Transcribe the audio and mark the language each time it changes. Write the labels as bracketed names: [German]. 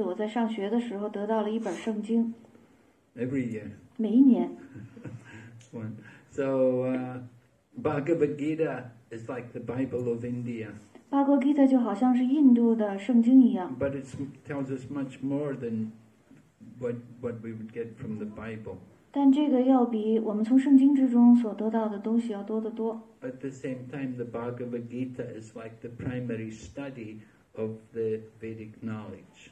[Chinese] 在西方国家有基督教，他们会免费的派发圣经。有的时候他们会给到学校里。我还记得我在上学的时候得到了一本圣经。 [English] Every year. [Chinese] 每一年。 [English] So, Bhagavad Gita is like the Bible of India. [Chinese] Bhagavad Gita 就好像是印度的圣经一样。 [English] But it tells us much more than what we would get from the Bible. [Chinese] 但这个要比我们从圣经之中所得到的东西要多得多。 [English] At the same time, the Bhagavad Gita is like the primary study of the Vedic knowledge.